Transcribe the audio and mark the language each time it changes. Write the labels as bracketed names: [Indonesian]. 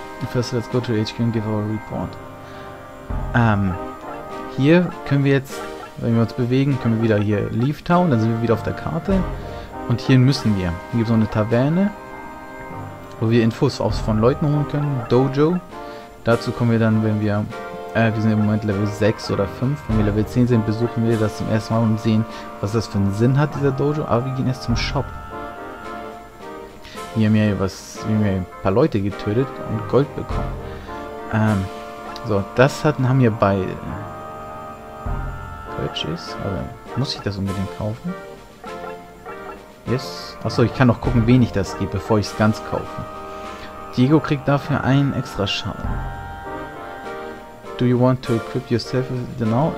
[English] First, let's go to HQ and give our report. [German] Hier können wir jetzt, wenn wir uns bewegen, können wir wieder hier Leaf Town, dann sind wir wieder auf der Karte. Und hier müssen wir. Hier gibt es noch eine Taverne, wo wir Infos auch von Leuten holen können. Dojo. Dazu kommen wir dann, wenn wir, wir sind im Moment Level 6 oder 5. Wenn wir Level 10 sind, besuchen wir das zum ersten Mal und sehen, was das für einen Sinn hat, dieser Dojo. Aber wir gehen erst zum Shop. Wir haben hier ein paar Leute getötet und Gold bekommen. Haben wir bei Purchase. Also, muss ich das unbedingt kaufen? Yes. Achso, ich kann noch gucken, wen ich das gebe, bevor ich es ganz kaufe. Diego kriegt dafür einen extra Schaden. [English] Do you want to equip yourself with it now?